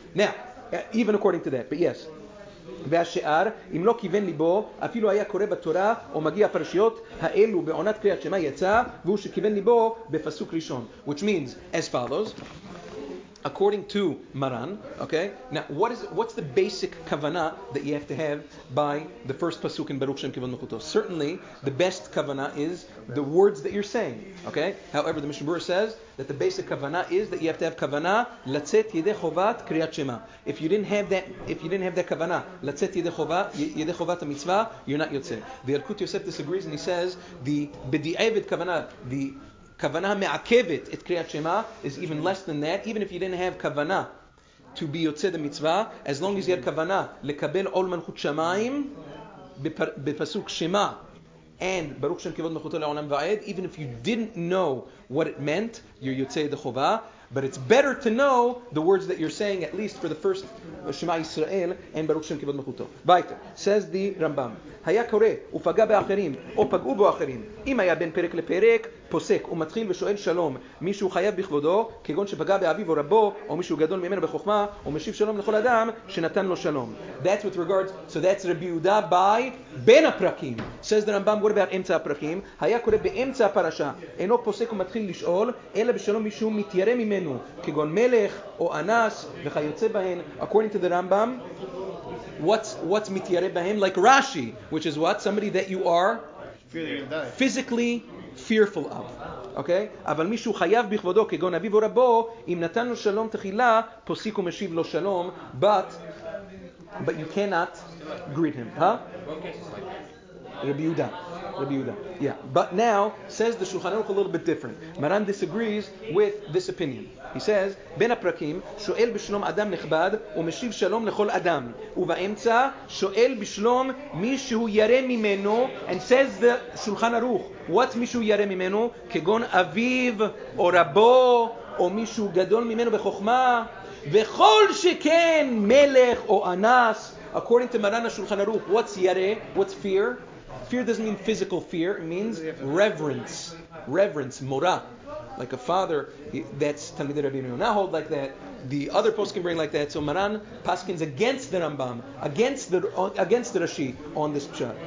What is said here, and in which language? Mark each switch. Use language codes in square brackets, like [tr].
[en] Now, even according to that, but yes. [he] והשאר, אם לא כיוון ליבו, אפילו היה קורא בתורה או מגיע פרשיות, האלו בעונת קריאת שמה יצא, והוא שכיוון ליבו בפסוק ראשון. [en] Which means, as follows, according to Maran, okay, now what's the basic kavanah that you have to have by the first pasuk in Baruch Shem Kivon Mechuto? Certainly, the best kavanah is the words that you're saying, okay? However, the Mishnah Berurah says that the basic kavanah is that you have to have kavanah latzet yedei chovat kriyat shema. If you didn't have that kavanah latzet yedei chovat mitzvah, you're not yotze. The Elkut Yosef disagrees and he says the bedi'evet kavanah, the kavanah me'akevet et kriyat shema, is even less than that. Even if you didn't have kavanah to be yotze the mitzvah, as long as you had kavanah lekabel ol manchut shamayim bepasuk shema and Baruch Shem Kivod Mechuto Le'olam Va'ed, even if you didn't know what it meant, you're yotze the chova. But it's better to know the words that you're saying, at least for the first Shema Yisrael and Baruch Shem Kivod Mechuto. Vayter, says the Rambam, [he] Haya kore ufaga be'acherim, o pagu bo'acherim, im haya ben perek le'perek, פוסק ומתחיל ושואל שלום מישהו חייב בכבודו כגון שפגע באביו או רבו או מישהו גדול ממנו בחוכמה ומשיב שלום לכל אדם שנתן לו שלום. [en] That's with regards, so that's Rabbi Yehuda by בין הפרקים. Says the Rambam, what about אמצע הפרקים? [he] היה קורה באמצע הפרשה אינו פוסק ומתחיל לשאול אלא בשלום מישהו מתיירה ממנו כגון מלך או אנס וכיוצא בהן. [en] According to the Rambam, what's מתיירה בהם? Like Rashi, which is what? Somebody that you are physically fearful of. Okay? [he] אבל מישהו חייב בכבודו כגון אביו או רבו, אם נתן לו שלום תחילה, פוסיק ומשיב לו שלום, [en] but you cannot greet him. Huh? Rabbi Yehuda. Yeah. But now, says the Shulchan Aruch a little bit different. Maran disagrees with this opinion. He says, [he] בין הפרקים, שואל בשלום אדם נכבד, ומשיב שלום לכל אדם. ובאמצע, שואל בשלום מישהו ירא ממנו, [en] and says the Shulchan Aruch, what [he] מישהו ירא ממנו? כגון אביו, או רבו, או מישהו גדול ממנו בחוכמה, וכל שכן מלך או אנס. [en] According to Maran, Shulchan Aruch, what's ירא? What's fear? Fear doesn't mean physical fear. It means reverence, mora. Like a father, that's Talmid Rabbi Yehuda hold like that. The other post can bring like that. So Maran paskins against the Rambam, against the Rashi on this pshat.